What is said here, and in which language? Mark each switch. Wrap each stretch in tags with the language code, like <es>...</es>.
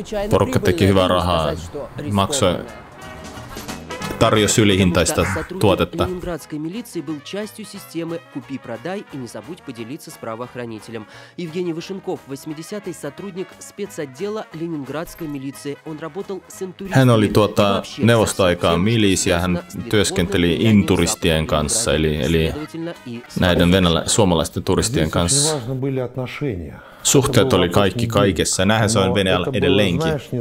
<fi>Porukka teki hyvää rahaa, maksoi. Tarjosi ylihintaista tuotetta.</fi> <ru>Ленинградской милиции был частью системы купи-продай и не забудь поделиться с правоохранителем. Евгений Вышенков, 80-й сотрудник спецотдела Ленинградской милиции. Он работал с интуристами.</ru> <fi>Hän oli neuvostoaikaan miliisi ja hän työskenteli inturistien kanssa, eli näiden suomalaisten turistien kanssa. Suhteet oli kaikki kaikessa, näinhän se on Venäjällä edelleenkin.</fi>